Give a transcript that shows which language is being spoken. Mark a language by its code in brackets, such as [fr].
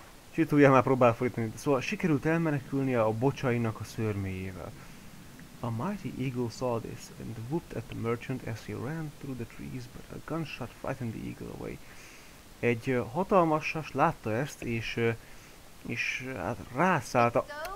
[hu] Csituljál már próbál fordítani. Szóval sikerült elmenekülnie a bocsainak a szörméjével. [en] A mighty eagle saw this and whooped at the merchant as he ran through the trees, but a gunshot frightened the eagle away. [hu] Egy hatalmas sas látta ezt, és hát rászállt a...